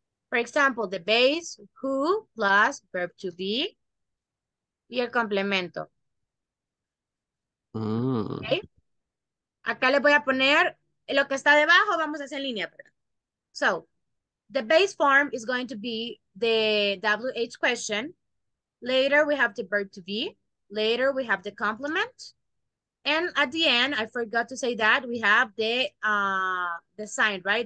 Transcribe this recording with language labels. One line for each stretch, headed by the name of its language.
English: For example, the base, who plus verb to be.
Spanish: Y el complemento. Okay. Acá le voy a poner lo que está debajo, vamos a hacer línea. So,
English: the base form is going to be the WH question. Later, we have the verb to be. Later, we have the complement. And at the end, I forgot to say that, we have the sign, right?